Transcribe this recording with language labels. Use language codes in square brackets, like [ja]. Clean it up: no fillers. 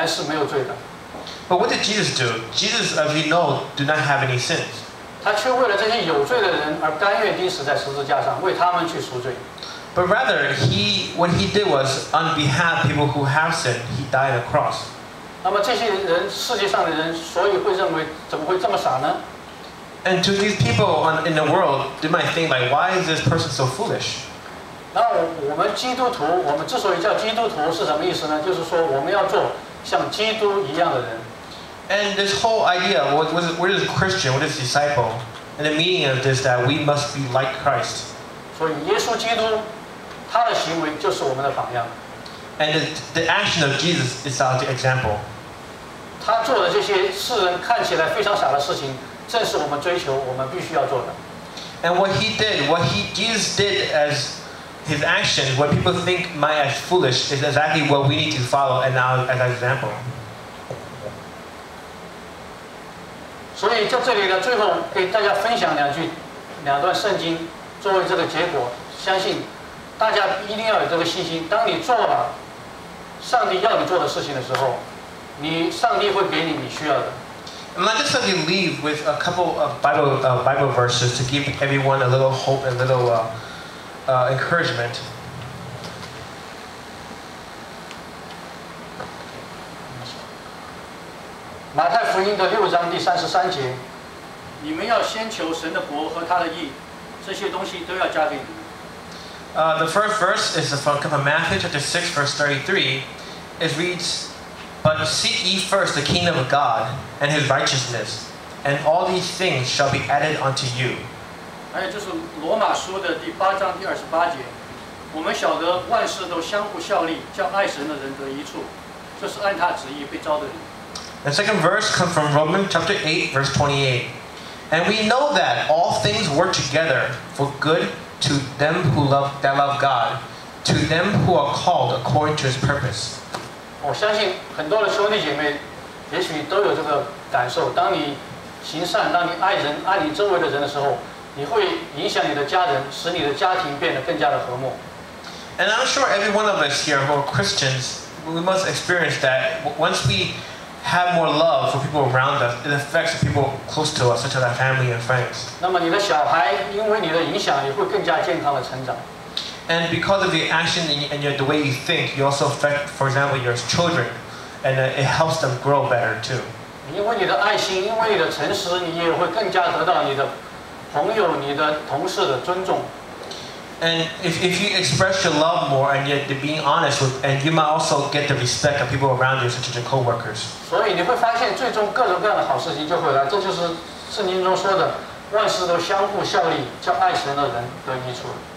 [en] But what did Jesus do? Jesus, as you know, did not have any sins. But rather, what he did was, on behalf of people who have sinned, he died on the cross. [zh] 那么这些人，世界上的人，所以会认为，怎么会这么傻呢？ [en] And to these people in the world, they might think like, why is this person so foolish? [zh] 那我们基督徒，我们之所以叫基督徒是什么意思呢？就是说我们要做像基督一样的人。 [en] And this whole idea, what is Christian, what is disciple? And the meaning of this, that we must be like Christ. [zh] 所以耶稣基督他的行为就是我们的榜样。 [en] And the action of Jesus is our example. [zh] 他做的这些世人看起来非常傻的事情，正是我们追求我们必须要做的。 [en] And what he did, what he Jesus did as his action, what people think might as foolish, is exactly what we need to follow and now as an example. [zh] 所以在这里呢，最后给大家分享两段圣经。作为这个结果，相信大家一定要有这个信心。当你做了上帝要你做的事情的时候，你上帝会给你你需要的。 [en] And I just simply leave with a couple of Bible verses to give everyone a little hope and a little encouragement. [zh] 马太福音的六章第三十三节，你们要先求神的国和他的义。这些东西都要加给你们。 [en] The first verse is from Matthew chapter 6, verse 33. It reads, But seek ye first the kingdom of God and his righteousness, and all these things shall be added unto you. [zh] 还有就是罗马书的第八章第二十八节，我们晓得万事都相互效力，叫爱神的人得益处，这是按他旨意被召的人。 [en] The second verse comes from Romans chapter 8, verse 28. And we know that all things work together for good to them who love, that love God, to them who are called according to His purpose. [zh] 我相信很多的兄弟姐妹也许都有这个感受，当你行善，当你爱人，爱你周围的人的时候，你会影响你的家人，使你的家庭变得更加的和睦。 [en] And I'm sure every one of us here who are Christians, we must experience that once we have more love for people around us, it affects people close to us, such as our family and friends. [zh] 那么你的小孩因为你的影响也会更加健康的成长。 [en] And because of your action and the way you think, you also affect, for example, your children, and it helps them grow better too. [zh] 因为你的爱心，因为你的诚实，你也会更加得到你的朋友、你的同事的尊重。 [en] And if you express your love more and yet being honest with, and you might also get the respect of people around you, such as your co-workers. [zh] 所以你会发现最终各种各样的好事情就会来，这就是圣经中说的万事都相互效力，叫爱神的人得益处。